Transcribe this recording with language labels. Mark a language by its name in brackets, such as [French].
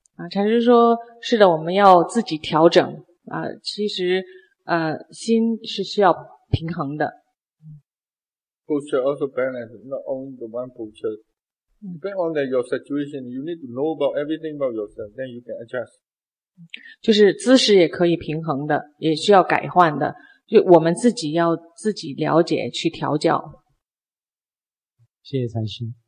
[Chinese] 禅师说是的，我们要自己调整啊。其实心是需要平衡的。 [English] Posture also balance, not only the one posture. Depend on that your situation, you need to know about everything about yourself, then you can adjust. [Chinese] 就是姿势也可以平衡的，也需要改换的，就我们自己要自己了解去调教。谢谢禅师。